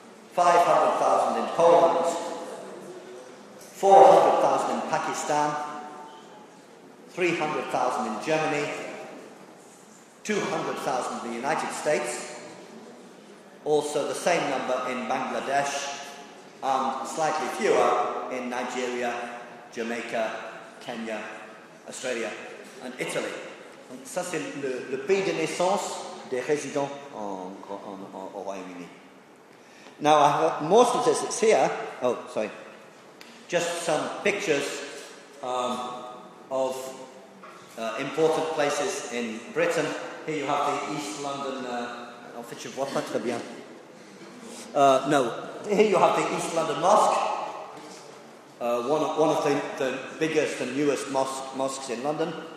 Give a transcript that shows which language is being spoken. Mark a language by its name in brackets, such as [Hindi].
[English] 500,000 in Poland, 400,000 in Pakistan, 300,000 in Germany, 200,000 in the United States, also the same number in Bangladesh, and slightly fewer in Nigeria, Jamaica, Kenya, Australia, and Italy. [French] Donc ça c'est le pays de naissance des résidents au Royaume-Uni. [English] Now, I have more statistics here. Oh, sorry. Just some pictures of important places in Britain. Here you have the East London... [French] En fait, je ne vois pas très bien. [English] No. Here you have the East London Mosque, one of the biggest and newest mosques in London.